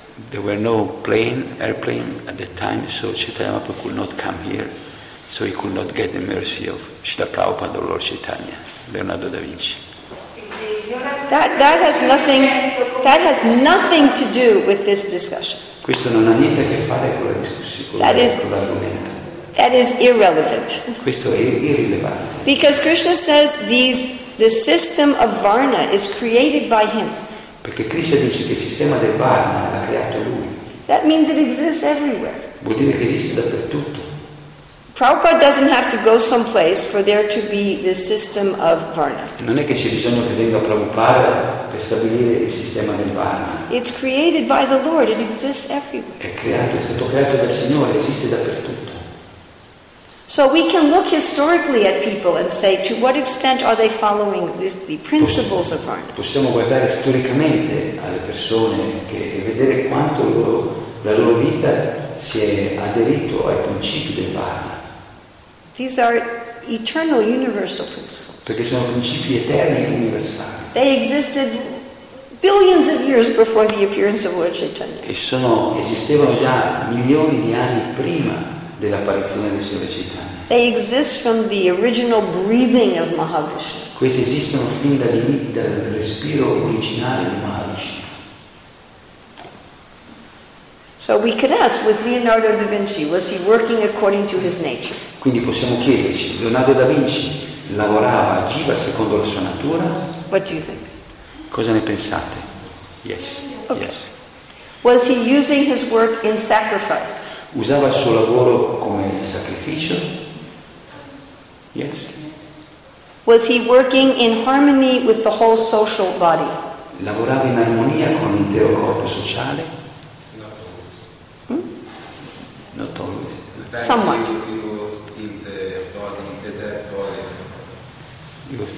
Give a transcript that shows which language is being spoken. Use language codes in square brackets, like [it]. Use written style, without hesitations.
[en] There were no plane, airplane at the time, so Chaitanya Mahaprabhu could not come here, so he could not get the mercy of Srila Prabhupada or Lord Chaitanya, Leonardo da Vinci. That has nothing to do with this discussion. [it] Questo non ha niente a che fare con la discussione, con l'argomento. [en] That is irrelevant. [it] Questo è irrilevante. [en] Because Krishna says the system of Varna is created by him. [it] Perché Krishna dice che il sistema del Varna l'ha creato lui. [en] That means it exists everywhere. [it] Vuol dire che esiste dappertutto. [en] Prabhupada doesn't have to go someplace for there to be the system of Varna. [it] Non è che c'è bisogno che venga Prabhupada per stabilire il sistema del Varna. [en] It's created by the Lord. It exists everywhere. [it] È stato creato dal Signore. Esiste dappertutto. [en] So we can look historically at people and say, to what extent are they following the principles of Varna? [it] Possiamo guardare storicamente alle persone e vedere quanto la loro vita si è aderito ai principi del Varna. [en] These are eternal, universal principles. [it] Perché sono principi eterni e universali. [en] They existed billions of years before the appearance of Lord Chaitanya. [it] Esistevano già milioni di anni prima dell'apparizione di Signore Chaitanya. [en] They exist from the original breathing of Mahavishnu. [it] Questi esistono fin dal respiro originale di Mahavishnu. [en] So we could ask with Leonardo da Vinci, was he working according to his nature? [it] Quindi possiamo chiederci, Leonardo da Vinci lavorava, agiva secondo la sua natura? [en] What do you think? [it] Cosa ne pensate? Yes. [en] Okay. Yes. Was he using his work in sacrifice? [it] Usava il suo lavoro come sacrificio? [en] Yes. Was he working in harmony with the whole social body? [it] Lavorava in armonia con l'intero corpo sociale? [en] Not always. Not always. Somewhat. He was in the body, the dead body.